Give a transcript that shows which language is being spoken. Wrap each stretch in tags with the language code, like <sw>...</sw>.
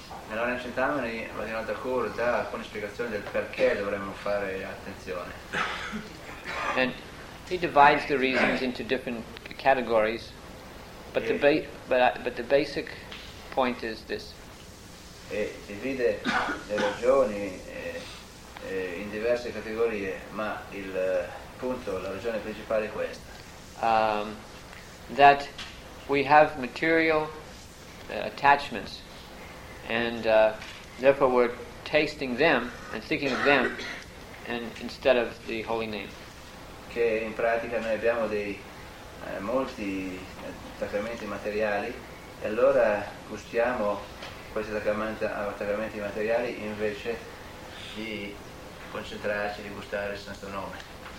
<it>Nell'Arena Chintamani Bhaktivinoda Thakur dà alcune spiegazioni del perché dovremmo fare attenzione.</it> <en>And he divides the reasons into different categories, but the basic point is this.</en> <it>E divide le ragioni in diverse categorie, ma il punto, la ragione principale è questa.</it> <en>That we have material attachments, and therefore we're tasting them and thinking of them, and instead of the holy name.</en> <it>Che in pratica noi abbiamo dei molti attaccamenti materiali e allora gustiamo questi attaccamenti materiali invece di concentrarci di gustare il Santo Nome.</it>